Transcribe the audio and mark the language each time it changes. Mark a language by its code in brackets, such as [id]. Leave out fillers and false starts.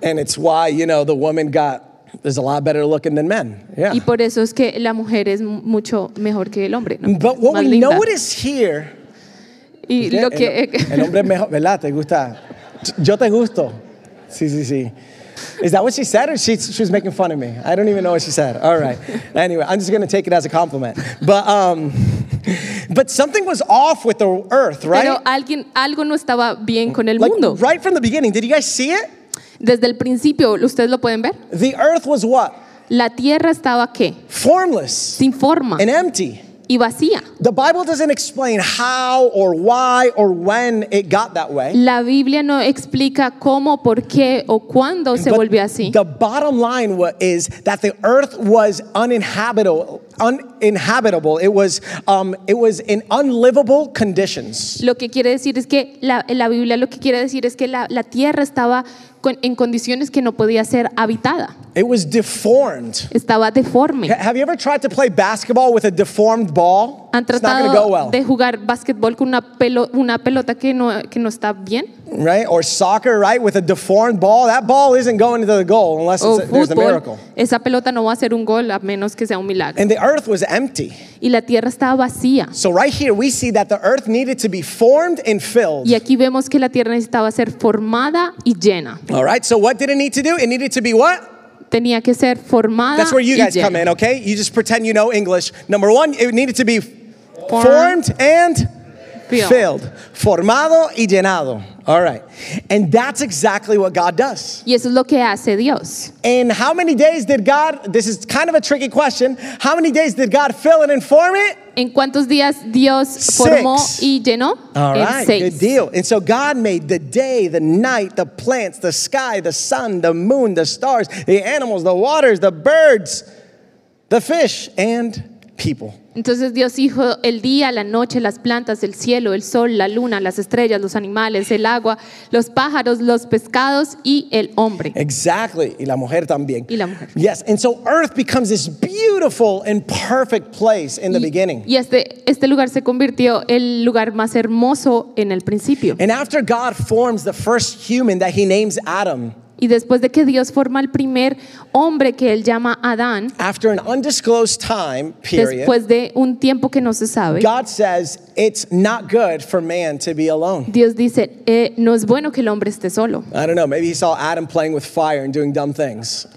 [en] And it's why, you know, the woman got. There's a lot better looking than men. Yeah. [es] Y por eso es que la mujer es mucho mejor que el hombre, ¿no? [en] But what we notice here. [es] Y lo que el hombre es mejor, ¿verdad? Te gusta. Yo te gusto. Sí. [en] Is that what she said, or she was making fun of me? I don't even know what she said. All right. Anyway, I'm just going to take it as a compliment. But something was off with the earth, right? [es] Pero algo no estaba bien con el mundo. [en] Like, right from the beginning, did you guys see it? [es] Desde el principio, ¿ustedes lo pueden ver? [en] The earth was what? [es] La tierra estaba ¿qué? [en] Formless. [es] Sin forma. [en] And empty. [es] Y vacía. [en] The Bible doesn't explain how or why or when it got that way. [es] La Biblia no explica cómo, por qué o cuándo se volvió así. [en] The bottom line is that the earth was uninhabitable. It was in unlivable conditions. [es] Lo que quiere decir es que la Biblia lo que quiere decir es que la tierra estaba en condiciones que no podía ser habitada. [en] It was deformed. [es] Estaba deforme. [en] Have you ever tried to play basketball with a deformed ball? [es] ¿Han tratado [en] It's not gonna go well. [es] De jugar basketball con una pelota que no está bien? [en] Right? Or soccer, right? With a deformed ball. That ball isn't going to the goal unless there's a miracle. [es] Esa pelota no va a ser un gol a menos que sea un milagro. [en] And the earth was empty. [es] Y la tierra estaba vacía. [en] So right here we see that the earth needed to be formed and filled. [es] Y aquí vemos que la tierra necesitaba ser formada y llena. [en] All right, so what did it need to do? It needed to be what? [es] Tenía que ser formada. [en] That's where you guys come in, okay? You just pretend you know English. Number one, it needed to be formed and filled. [es] Formado y llenado. [en] All right. And that's exactly what God does. [es] Y eso es lo que hace Dios. [en] And how many days did God, this is kind of a tricky question, how many days did God fill and inform it? [es] ¿En cuántos días Dios formó [en] Six. [es] Y llenó? [en] All right, [es] seis. [en] Good deal. And so God made the day, the night, the plants, the sky, the sun, the moon, the stars, the animals, the waters, the birds, the fish, and people. [es] Entonces Dios hizo el día, la noche, las plantas, el cielo, el sol, la luna, las estrellas, los animales, el agua, los pájaros, los pescados y el hombre. Exactly. Y la mujer también. Y la mujer. [en] Yes. And so earth becomes this beautiful and perfect place in the beginning. [es] Y este lugar se convirtió el lugar más hermoso en el principio. [en] And after God forms the first human that he names Adam. [es] Y después de que Dios forma el primer hombre que él llama Adán, [en] after an undisclosed time period, [es] después de un tiempo que no se sabe, [en] God says, it's not good for man to be alone. [es] Dios dice, no es bueno que el hombre esté solo. [en] I don't know, maybe he saw Adam playing with fire and doing dumb things.